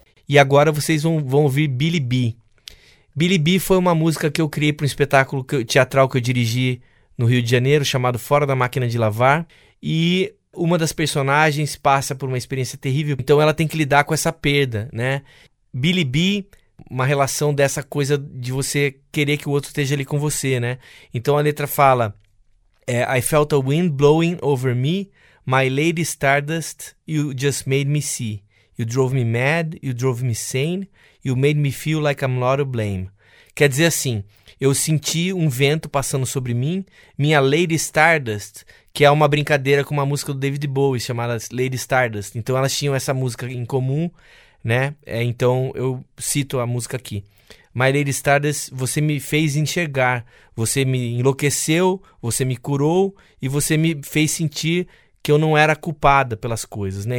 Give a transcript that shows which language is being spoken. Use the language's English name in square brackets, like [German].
[Portuguese] E agora vocês vão ouvir Billy B. Billy B foi uma música que eu criei para um espetáculo teatral que eu dirigi no Rio de Janeiro, chamado Fora da Máquina de Lavar. E uma das personagens passa por uma experiência terrível, então ela tem que lidar com essa perda, né? Billy B, uma relação dessa coisa de você querer que o outro esteja ali com você, né? Então a letra fala: [English] I felt a wind blowing over me, my lady stardust, you just made me see. You drove me mad, you drove me sane, you made me feel like I'm not to blame. [Portuguese] Quer dizer assim, eu senti um vento passando sobre mim, minha Lady Stardust, que é uma brincadeira com uma música do David Bowie chamada Lady Stardust. Então elas tinham essa música em comum, né? Então eu cito a música aqui. My Lady Stardust, você me fez enxergar, você me enlouqueceu, você me curou e você me fez sentir que eu não era culpada pelas coisas, né?